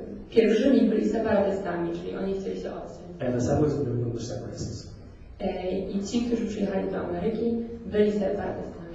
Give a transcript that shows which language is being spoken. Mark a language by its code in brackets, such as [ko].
[pl] Pierwszymi byli separatystami, czyli oni chcieli się odciąć. [en] And the settlers were pilgrims separatists. [pl] I ci, którzy przyjechali do Ameryki, byli separatystami.